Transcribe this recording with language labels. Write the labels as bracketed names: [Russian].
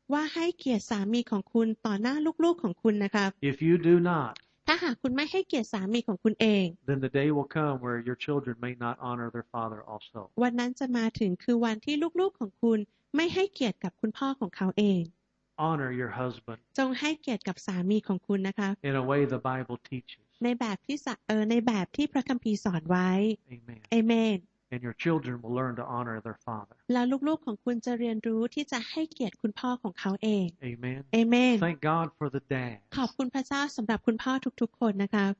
[Thai] ว่าให้เกียรติสามีของคุณต่อหน้าลูกๆของคุณนะคะ [English] If you do not, [Thai] ถ้าหากคุณไม่ให้เกียรติสามีของคุณเอง [English] then the day will come where your children may not honor their father also. [Thai] วันนั้นจะมาถึงคือวันที่ลูกๆของคุณไม่ให้เกียรติกับคุณพ่อของเขาเอง [English] Honor your husband. [Thai] จงให้เกียรติกับสามีของคุณนะคะ [English] In a way the Bible teaches. [Thai] ในแบบที่ในแบบที่พระคัมภีร์สอนไว้ [English] Amen. Amen. And your children will learn to honor their father. [Thai] แล้วลูกๆของคุณจะเรียนรู้ที่จะให้เกียรติคุณพ่อของเขาเอง [English] Amen. Amen. Thank God for the dads. [Thai] ขอบคุณพระเจ้าสำหรับคุณพ่อทุกๆคนนะคะ